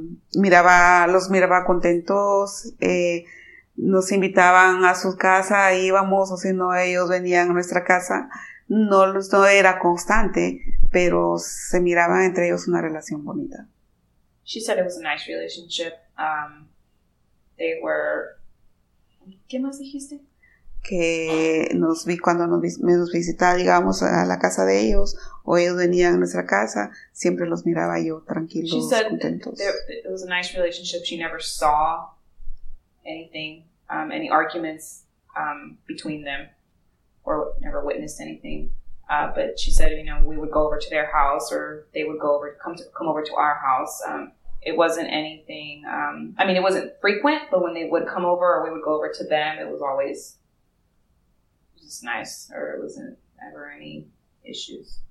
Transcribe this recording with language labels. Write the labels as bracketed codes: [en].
[es] Siempre los miraba contentos. Nos invitaban a su casa, íbamos, o si no, ellos venían a nuestra casa. No era constante, pero se miraba entre ellos una relación bonita. [en] She said it was a nice relationship. They were... [es] ¿Qué más dijiste? Que nos vi cuando nos visitaba, digamos, a la casa de ellos, o ellos venían a nuestra casa, siempre los miraba yo tranquilos, contentos. [en] She said it was a nice relationship. She never saw anything, any arguments between them, or never witnessed anything. But she said, you know, we would go over to their house, or they would come over to our house. It wasn't anything. I mean, it wasn't frequent, but when they would come over, or we would go over to them, it was always just nice, or it wasn't ever any issues.